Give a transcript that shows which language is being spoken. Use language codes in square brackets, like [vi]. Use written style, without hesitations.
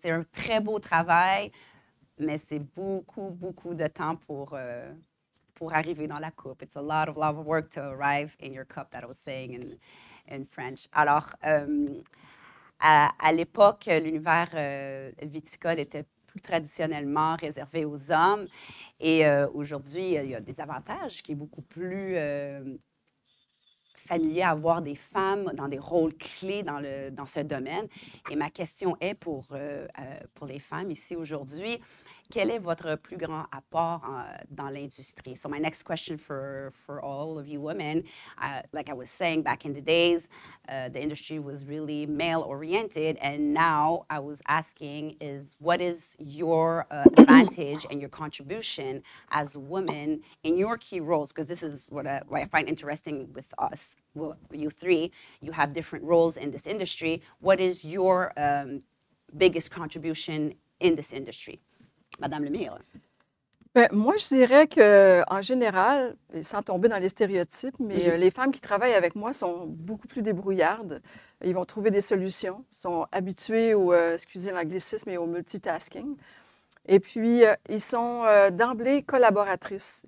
[fr] C'est un très beau travail, mais c'est beaucoup de temps pour arriver dans la coupe. [en] It's a lot of work to arrive in your cup, that I was saying in French. [fr] Alors, à l'époque, l'univers viticole était plus traditionnellement réservé aux hommes. Et aujourd'hui, il y a des avantages qui est beaucoup plus familier à voir des femmes dans des rôles clés dans ce domaine. Et ma question est pour les femmes ici aujourd'hui, quel est votre plus grand apport dans l'industrie? [en] So my next question for all of you women, like I was saying, back in the days, the industry was really male-oriented, and now I was asking is, what is your advantage and your contribution as women in your key roles? Because this is what I find interesting with us, well, you three, you have different roles in this industry. What is your biggest contribution in this industry? [fr] Madame Lemire. Moi, je dirais que en général, sans tomber dans les stéréotypes, mais les femmes qui travaillent avec moi sont beaucoup plus débrouillardes. Ils vont trouver des solutions, sont habituées au, excusez l'anglicisme, et au multitasking. Et puis, ils sont d'emblée collaboratrices.